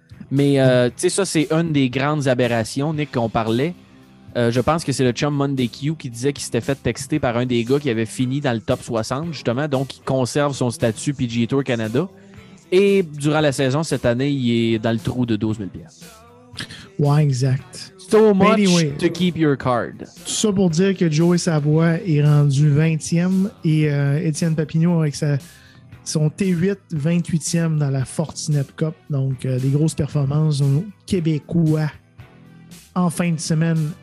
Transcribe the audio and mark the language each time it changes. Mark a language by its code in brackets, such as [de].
[fr] Mais tu sais, ça, c'est une des grandes aberrations, Nick, qu'on parlait. Je pense que c'est le chum Monday Q qui disait qu'il s'était fait texter par un des gars qui avait fini dans le top 60, justement. Donc, il conserve son statut PGA Tour Canada. Et durant la saison, cette année, il est dans le trou de 12 000 piastres. Ouais, exact. [en] So much anyway, to keep your card. [fr] Tout ça pour dire que Joey Savoie est rendu 20e et Étienne Papineau avec son T8 28e dans la Fortinet Cup. Donc, des grosses performances aux Québécois en fin de semaine.